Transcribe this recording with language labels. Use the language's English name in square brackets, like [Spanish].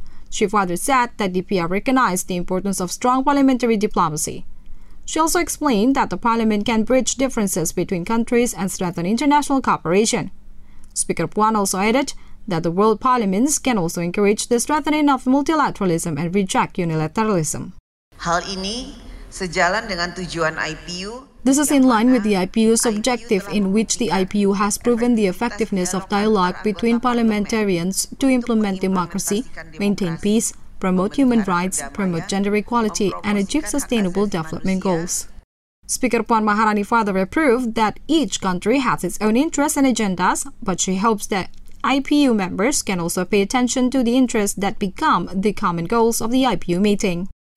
[English] She further said that DPR recognized the importance of strong parliamentary diplomacy. She also explained that the parliament can bridge differences between countries and strengthen international cooperation. Speaker Puan also added that the world parliaments can also encourage the strengthening of multilateralism and reject unilateralism. [Indonesian] Hal ini sejalan dengan tujuan IPU. [English] This is in line with the IPU's objective, in which the IPU has proven the effectiveness of dialogue between parliamentarians to implement democracy, maintain peace, promote human rights, promote gender equality, and achieve sustainable development goals. Speaker Puan Maharani further approved that each country has its own interests and agendas, but she hopes that IPU members can also pay attention to the interests that become the common goals of the IPU meeting.